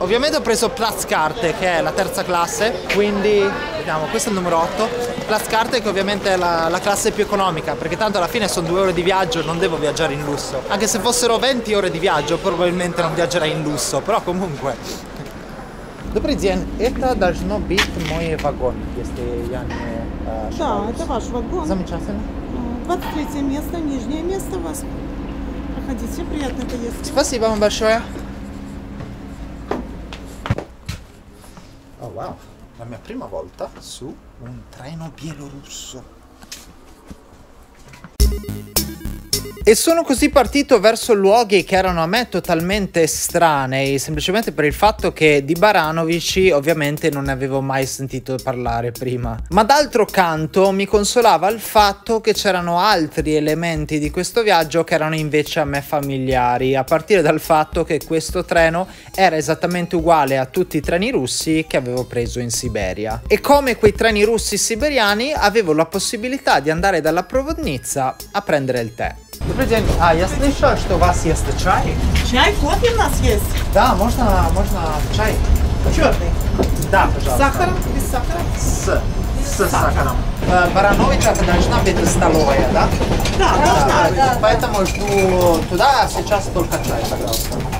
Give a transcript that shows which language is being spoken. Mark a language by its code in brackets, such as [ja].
[it] Ovviamente ho preso Platzkarte, che è la terza classe, quindi vediamo, questo è il numero 8. Platzkarte, che ovviamente è la classe più economica, perché tanto alla fine sono 2 ore di viaggio, non devo viaggiare in lusso. Anche se fossero 20 ore di viaggio, probabilmente non viaggerei in lusso, però comunque. [ru] Добрый день. Это должно быть мой вагон, если я не... Да, это ваш вагон. Замечательно. 23 место, нижнее место у вас. Проходите, приятно поездить. Спасибо вам большое. О, вау. [it] La mia prima volta su un treno bielorusso. E sono così partito verso luoghi che erano a me totalmente estranei, semplicemente per il fatto che di Baranovici ovviamente non ne avevo mai sentito parlare prima. Ma d'altro canto mi consolava il fatto che c'erano altri elementi di questo viaggio che erano invece a me familiari, a partire dal fatto che questo treno era esattamente uguale a tutti i treni russi che avevo preso in Siberia. E come quei treni russi siberiani, avevo la possibilità di andare dalla Provodnitsa a prendere il tè. [ru] Добрый день. А, я слышал, что у вас есть чай. Чай, кофе у нас есть. Да, можно чай. Черный. Да, пожалуйста. Сахар? Без сахара? С сахаром. Барановича должна быть столовая, да? Да, должна. Да, да. Поэтому жду туда, а сейчас только чай, пожалуйста.